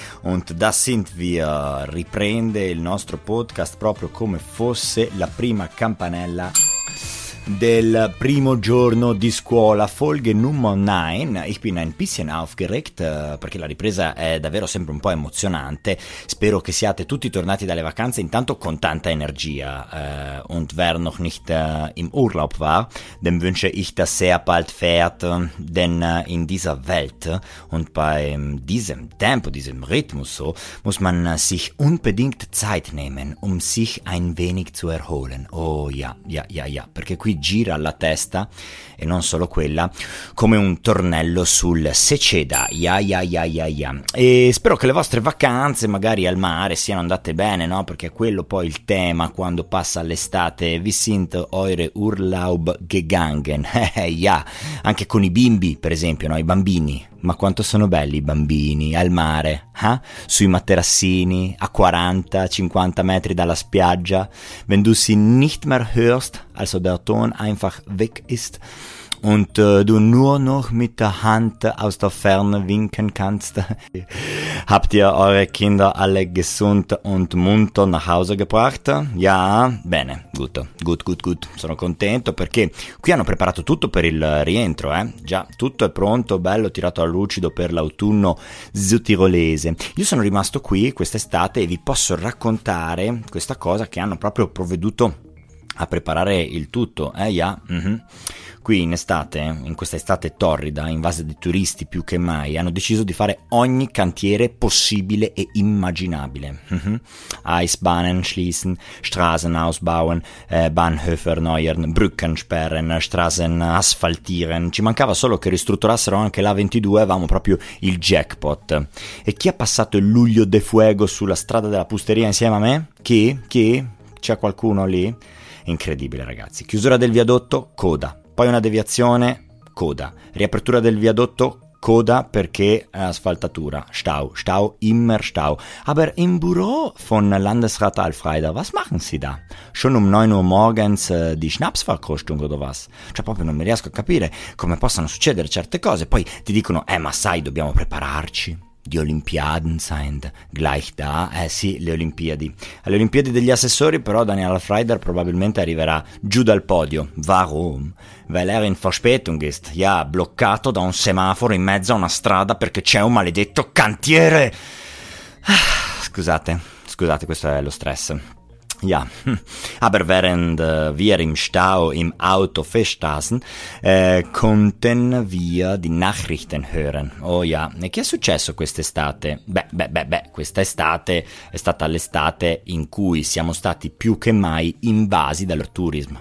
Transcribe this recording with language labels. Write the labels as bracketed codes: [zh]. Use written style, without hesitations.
[de] Und da sind wir, [it] riprende il nostro podcast proprio come fosse la prima campanella del primo giorno di scuola, [de] Folge Nummer 9. Ich bin ein bisschen aufgeregt, [it] perché la ripresa è davvero sempre un po' emozionante. Spero che siate tutti tornati dalle vacanze intanto con tanta energia. [de] Und wer noch nicht im Urlaub war, dem wünsche ich, dass er bald fährt, denn in dieser Welt und bei diesem Tempo, diesem Rhythmus so, muss man sich unbedingt Zeit nehmen, um sich ein wenig zu erholen. [it] Oh ja, ja, ja, ja, perché qui gira la testa, e non solo quella, come un tornello sul seceda, ya ya ya ya ya. E spero che le vostre vacanze, magari al mare, siano andate bene, no? Perché è quello poi il tema quando passa l'estate. [de] Vi sind eure Urlaub gegangen? [it] Ja, anche con i bimbi, per esempio, no? I bambini. Ma quanto sono belli i bambini al mare, eh? Sui materassini, a 40-50 metri dalla spiaggia, [de] wenn du sie nicht mehr hörst, also der Ton einfach weg ist, und du nur noch mit der Hand aus der Ferne winken kannst. Habt ihr eure Kinder alle gesund und munter nach Hause gebracht? Ja, bene, gut, gut, gut, gut. [it] Sono contento perché qui hanno preparato tutto per il rientro, eh? Già, tutto è pronto, bello, tirato a lucido per l'autunno zutirolese. Io sono rimasto qui quest'estate e vi posso raccontare questa cosa che hanno proprio provveduto a preparare il tutto, eh? Ja, Qui in estate, in questa estate torrida, invasa di turisti più che mai, hanno deciso di fare ogni cantiere possibile e immaginabile. [de] Eisbahnen schließen, Straßen ausbauen, Bahnhöfe erneuern, Brücken sperren, Straßen asfaltieren. [it] Ci mancava solo che ristrutturassero anche l'A22, avevamo proprio il jackpot. E chi ha passato il luglio de fuego sulla strada della Pusteria insieme a me? Chi? Chi? C'è qualcuno lì? Incredibile, ragazzi. Chiusura del viadotto? Coda. Poi una deviazione, coda. Riapertura del viadotto, coda, perché asfaltatura. [de] Stau, stau, immer stau. Aber im Büro von Landesrat Alfreider, was machen Sie da? Schon um 9 Uhr morgens die Schnapsverkostung oder was? [it] Cioè proprio non mi riesco a capire come possano succedere certe cose. Poi ti dicono, ma sai, dobbiamo prepararci. [de] Die Olympiaden sind gleich da. [it] Sì, le Olimpiadi. Alle Olimpiadi degli Assessori, però, Daniel Alfreider probabilmente arriverà giù dal podio. [de] Warum? Weil in Verspätung ist. [it] Ja, bloccato da un semaforo in mezzo a una strada perché c'è un maledetto cantiere. Ah, scusate, scusate, questo è lo stress. [de] Ja, aber während wir im Stau im Auto feststaßen, konnten wir die Nachrichten hören. [it] Oh ja, e che è successo quest'estate? Beh, quest'estate è stata l'estate in cui siamo stati più che mai invasi dal tourism.